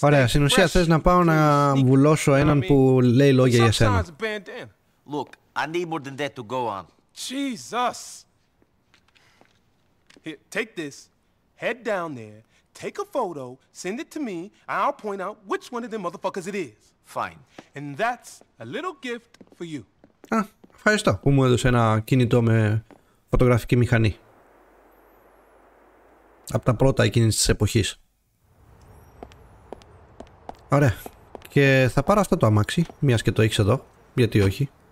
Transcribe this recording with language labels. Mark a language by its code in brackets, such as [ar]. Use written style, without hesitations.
[el] Ωραία, στην ουσία θες να πάω να βουλώσω έναν που λέει λόγια για σένα. [en] Look, I need more than that to go on. Jesus. Here, take this. Head down there, take a photo, send it to me, and I'll point out which one of them motherfuckers it is. Fine. And that's a little gift for you. [el] Α, ευχαριστώ που μου έδωσε ένα κινητό με φωτογραφική μηχανή. Από τα πρώτα εκείνης της εποχής. Ωραία. Και θα πάρω αυτό το αμάξι, μιας και το έχεις εδώ. Γιατί όχι.